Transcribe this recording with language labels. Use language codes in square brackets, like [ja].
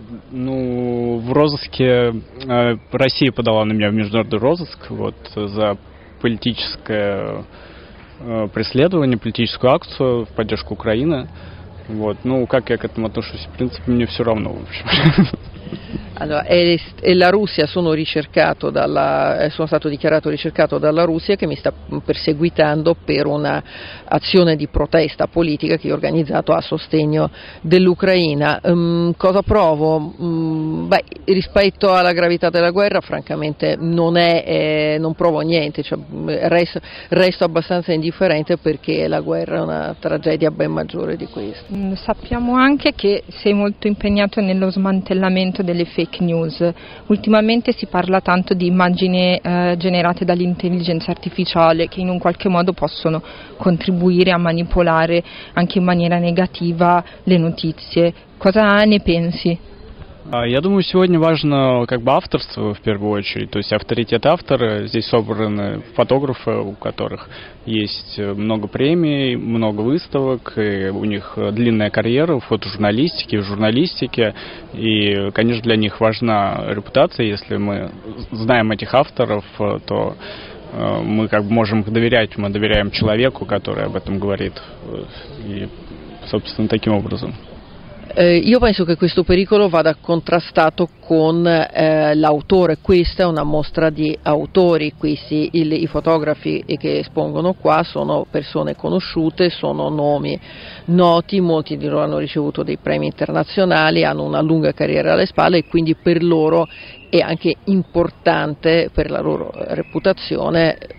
[ru] В розыске Россия подала на меня в международный розыск вот за политическое преследование, политическую акцию в поддержку Украины. Вот. Ну, как я к этому отношусь, в принципе, мне все равно, в общем. [it] Allora, e la Russia, sono stato dichiarato ricercato dalla Russia che mi sta perseguitando per una azione di protesta politica che ho organizzato a sostegno dell'Ucraina. Cosa provo? Rispetto alla gravità della guerra, francamente non provo niente, cioè, resto abbastanza indifferente perché la guerra è una tragedia ben maggiore di questa. Sappiamo anche che sei molto impegnato nello smantellamento delle fake news. Ultimamente si parla tanto di immagini generate dall'intelligenza artificiale che in un qualche modo possono contribuire a manipolare anche in maniera negativa le notizie. Cosa ne pensi? [ru] Я думаю, сегодня важно как бы авторство в первую очередь, то есть авторитет автора. Здесь собраны фотографы, у которых есть много премий, много выставок, и у них длинная карьера в фотожурналистике, в журналистике, и, конечно, для них важна репутация. Если мы знаем этих авторов, то мы как бы можем их доверять, мы доверяем человеку, который об этом говорит, и, собственно, таким образом. [it] Io penso che questo pericolo vada contrastato con l'autore. Questa è una mostra di autori, i fotografi che espongono qua sono persone conosciute, sono nomi noti, molti di loro hanno ricevuto dei premi internazionali, hanno una lunga carriera alle spalle e quindi per loro è anche importante, per la loro reputazione,